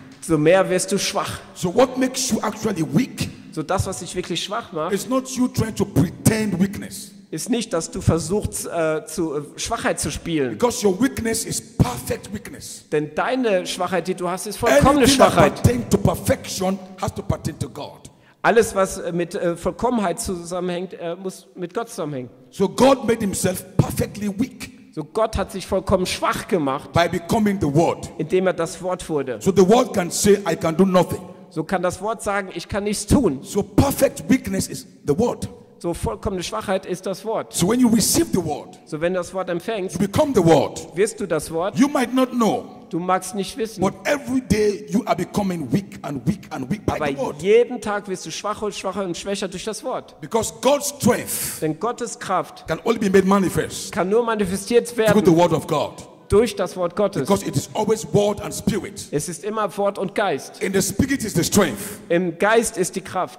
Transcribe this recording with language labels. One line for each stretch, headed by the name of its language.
German: So mehr wirst du schwach.
English: So what makes you actually weak,
German: so das, was dich wirklich schwach macht,
English: is not you trying to pretend weakness,
German: ist nicht, dass du versuchst, Schwachheit zu spielen.
English: Because your weakness is perfect weakness.
German: Denn deine Schwachheit, die du hast, ist vollkommene Schwachheit.
English: Anything that pertains to perfection has to pertain to God.
German: Alles, was mit Vollkommenheit zusammenhängt, muss mit Gott zusammenhängen.
English: So God made himself perfectly weak.
German: So Gott hat sich vollkommen schwach gemacht,
English: by becoming the word,
German: indem er das Wort wurde.
English: So the word can say, I can do nothing.
German: So kann das Wort sagen, ich kann nichts tun.
English: So perfect weakness is the word.
German: So vollkommene Schwachheit ist das Wort.
English: So when you receive the word,
German: so wenn du das Wort empfängst,
English: you become the word,
German: wirst du das Wort.
English: You might not know,
German: du magst nicht wissen.
English: But every day you are becoming weak and weak and weak
German: aber
English: by the word.
German: Jeden Tag wirst du schwacher und schwacher und schwächer durch das Wort.
English: Because God's strength,
German: denn Gottes Kraft,
English: can only be made manifest,
German: kann nur manifestiert werden
English: through the word of God,
German: durch das Wort Gottes.
English: Because it is always word and spirit.
German: Es ist immer Wort und Geist.
English: In the spirit is the strength.
German: Im Geist ist die Kraft.